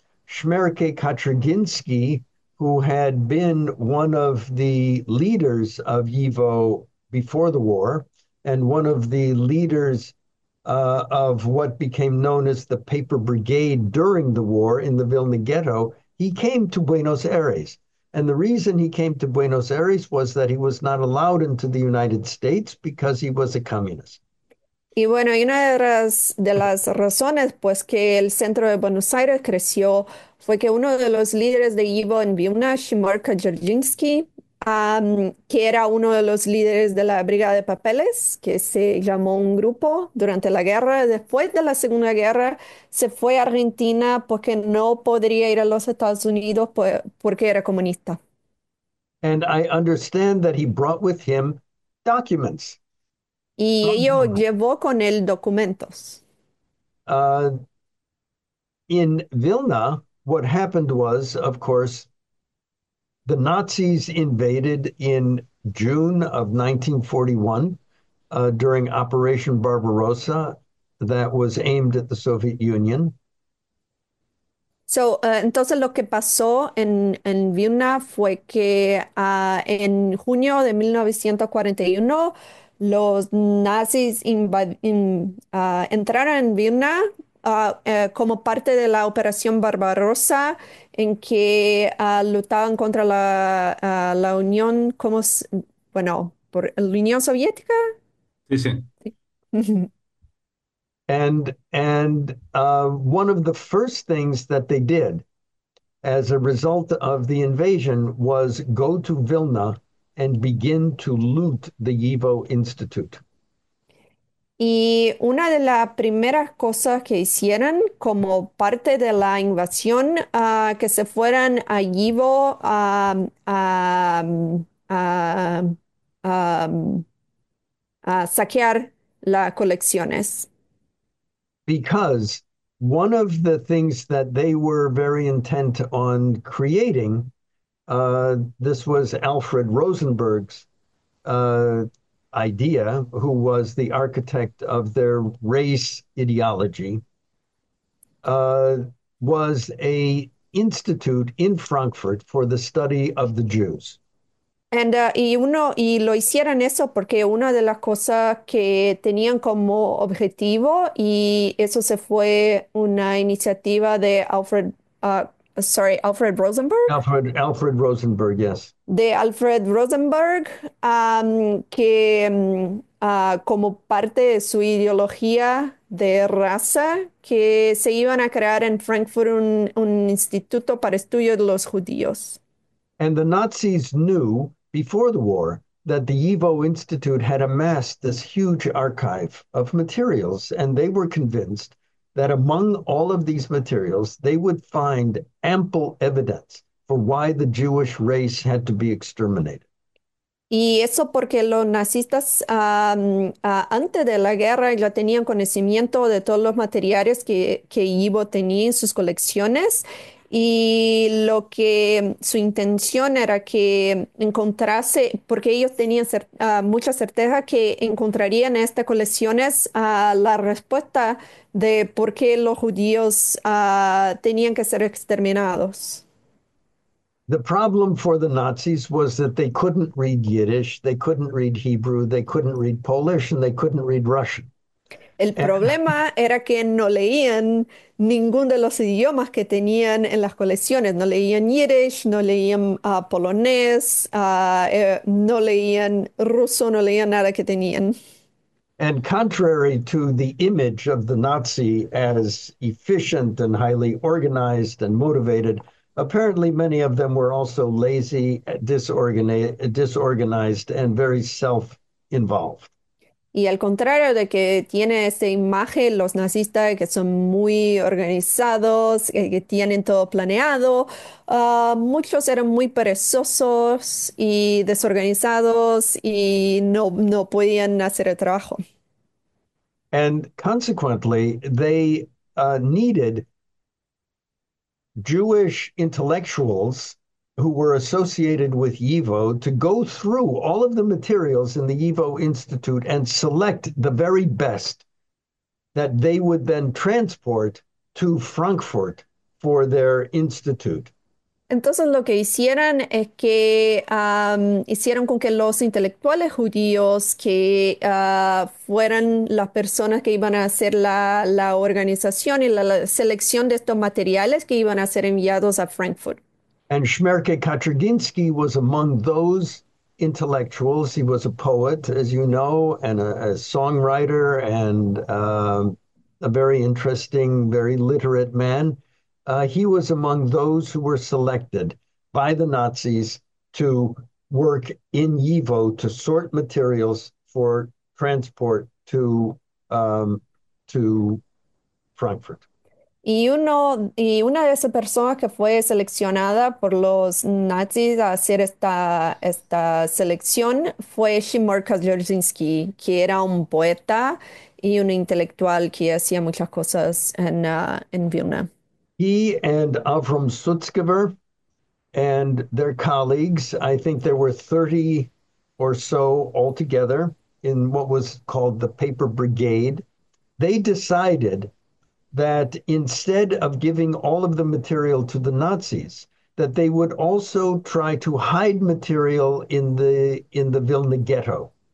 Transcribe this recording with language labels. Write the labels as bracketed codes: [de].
[en] Szmerke Katryginski, who had been one of the leaders of YIVO before the war and one of the leaders of what became known as the Paper Brigade during the war in the Vilna Ghetto, he came to Buenos Aires. And the reason he came to Buenos Aires was that he was not allowed into the United States because he was a communist. [es] Y bueno, y una de las razones pues que el centro de Buenos Aires creció fue que uno de los líderes de YIVO en Vilna, Szymon Kazierzynski, que era uno de los líderes de la Brigada de Papeles, que se llamó un grupo durante la guerra, después de la Segunda Guerra, se fue a Argentina porque no podría ir a los Estados Unidos porque era comunista. [en] And I understand that he brought with him documents [es] Y [en] from [es] ello [en] Vilna. [es] llevó con él documentos. [en] In Vilna, what happened was, of course, the Nazis invaded in June of 1941 during Operation Barbarossa that was aimed at the Soviet Union. [es] Entonces lo que pasó en Vilna fue que en junio de 1941 los nazis entraron en Vilna como parte de la Operación Barbarossa, en que luchaban contra la Unión, como bueno, por la Unión Soviética. Sí. Sí. [en] And one of the first things that they did, as a result of the invasion was go to Vilna and begin to loot the YIVO Institute. [es] Y una de las primeras cosas que hicieron como parte de la invasión, que se fueran a YIVO a saquear las colecciones. [en] Because one of the things that they were very intent on creating, this was Alfred Rosenberg's idea, who was the architect of their race ideology, was an institute in Frankfurt for the study of the Jews. [es] Y lo hicieron eso porque una de las cosas que tenían como objetivo, y eso se fue una iniciativa de Alfred, Alfred Rosenberg. [en] Alfred Rosenberg, yes. [es] De Alfred Rosenberg, que como parte de su ideología de raza, que se iban a crear en Frankfurt un instituto para estudio de los judíos. [en] And the Nazis knew before the war that the YIVO Institute had amassed this huge archive of materials, and they were convinced that among all of these materials, they would find ample evidence for why the Jewish race had to be exterminated. [es] Y eso porque los nazistas antes de la guerra ya tenían conocimiento de todos los materiales que YIVO tenía en sus colecciones, y lo que su intención era que encontrase, porque ellos tenían mucha certeza que encontrarían en estas colecciones la respuesta de por qué los judíos tenían que ser exterminados. [en] The problem for the Nazis was that they couldn't read Yiddish, they couldn't read Hebrew, they couldn't read Polish, and they couldn't read Russian. [es] El problema era que no leían ningún de los idiomas que tenían en las colecciones. No leían Yiddish, no leían polonés, no leían ruso, no leían nada que tenían. [en] And contrary to the image of the Nazi as efficient and highly organized and motivated, apparently, many of them were also lazy, disorganized, and very self-involved. [es] Y al contrario de que tiene esa imagen los nazistas, que son muy organizados, que tienen todo planeado, muchos eran muy perezosos y desorganizados y no podían hacer el trabajo. [en] And consequently, they needed Jewish intellectuals who were associated with YIVO to go through all of the materials in the YIVO Institute and select the very best that they would then transport to Frankfurt for their institute. [es] Entonces lo que hicieron es que hicieron con que los intelectuales judíos que fueran las personas que iban a hacer la organización y la selección de estos materiales que iban a ser enviados a Frankfurt. [en] And Shmerke Katryginsky was among those intellectuals. He was a poet, as you know, and a songwriter, and a very interesting, very literate man. He was among those who were selected by the Nazis to work in YIVO to sort materials for transport to Frankfurt. [es] Y una de esas personas que fue seleccionada por los nazis a hacer esta selección fue Shimon Kazlerzinski, que era un poeta y un intelectual que hacía muchas cosas en Vilna. [en] He and Avram Sutzkever and their colleagues, I think there were 30 or so altogether in what was called the Paper Brigade, they decided that instead of giving all of the material to the Nazis, that they would also try to hide material in the Vilna ghetto.